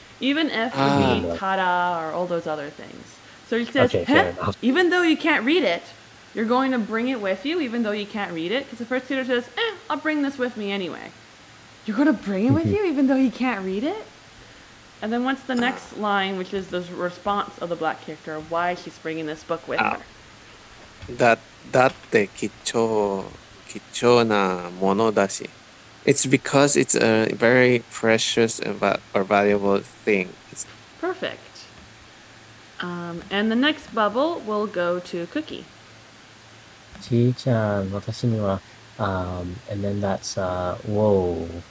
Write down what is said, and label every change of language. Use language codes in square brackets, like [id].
[en] Even if you mean tada or all those other things. So he says, even though you can't read it, you're going to bring it with you, even though you can't read it? Because the first tutor says, I'll bring this with me anyway. You're going to bring it with you, even though you can't read it? And then what's the next line, which is the response of the black character, why she's bringing this book with her? [ja] だって貴重なものだし. [en] It's because it's a very precious or valuable thing. It's perfect. And the next bubble will go to Cookie. Chi-chan, [ja] watashi ni wa. [en] And then that's, whoa.